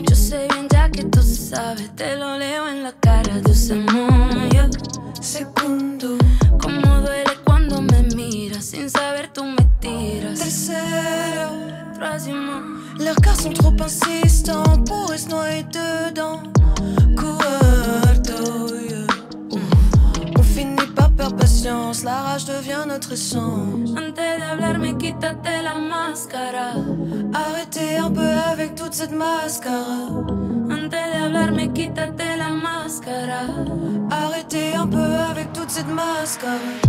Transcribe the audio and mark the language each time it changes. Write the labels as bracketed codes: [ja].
[es] Yo sé bien ya que tú sabes, te lo leo en la cara de ese mundo. Segundo, cómo duele cuando me miras, sin saber tú me tiras. Tercero, [fr] troisièmement. Leurs cas sont trop insistants pour se noyer dedans. [es] Cuarto, yeah. [fr] On finit par perdre patience, la rage devient notre essence. [es] Antes de hablar, me quítate la máscara. [fr] Arrêtez un peu avec toute cette mascara. [es] Antes de hablar, me quítate la máscara. [fr] Arrêtez un peu avec toute cette mascara.